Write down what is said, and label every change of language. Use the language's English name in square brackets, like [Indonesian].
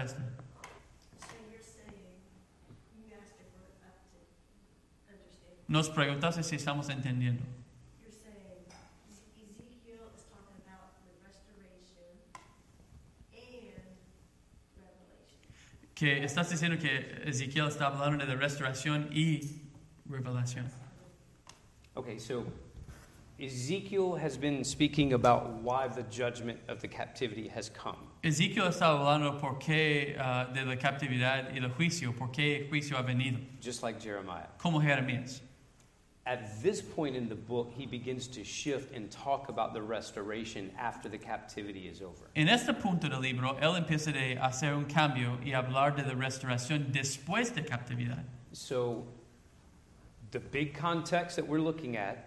[English] esto. So you're saying you asked if we're up to understanding. [Spanish] Nos preguntaste si estamos entendiendo. [English] You're saying Ezekiel is talking about the restoration and revelation. [Spanish] Que estás diciendo que Ezekiel está hablando de restauración y revelación. [English] Okay, so Ezekiel has been speaking about why the judgment of the captivity has come. [Spanish] Ezekiel está hablando por qué de la captividad y el juicio, por qué el juicio ha venido. [English] Just like Jeremiah. [Spanish] Como Jeremías. [English] At this point in the book, he begins to shift and talk about the restoration after the captivity is over. [Spanish] En este punto del libro, él empieza a hacer un cambio y hablar de la restauración después de captividad. [English] So, the big context that we're looking at.